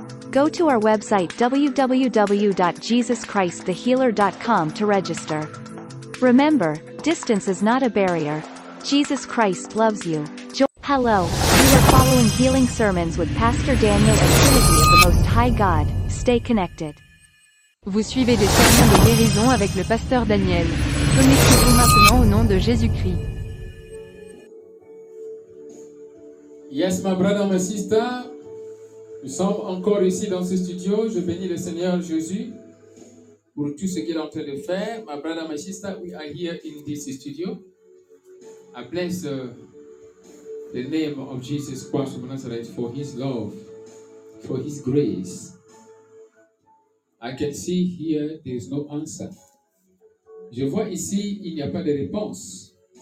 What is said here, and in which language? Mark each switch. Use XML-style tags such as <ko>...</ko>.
<en>Go to our website www.jesuschristthehealer.com to register. Remember, distance is not a barrier. Jesus Christ loves you. Hello, you are following Healing Sermons with Pastor Daniel of Trinity of the Most High God. Stay connected.</en> <fr>Vous suivez des sermons de guérison avec le pasteur Daniel. Connectez-vous maintenant au nom de Jésus-Christ.</fr> <en>Yes, my brother, my sister.</en> <fr>Nous sommes encore ici dans ce studio. Je bénis le Seigneur Jésus pour tout ce qu'il est en train de faire.</fr> <en>My brother, my sister, we are here in this studio. I bless the name of Jesus Christ of Nazareth for his love, for his grace. I can see here there is no answer.</en> <fr>Je vois ici, il n'y a pas de réponse.</fr>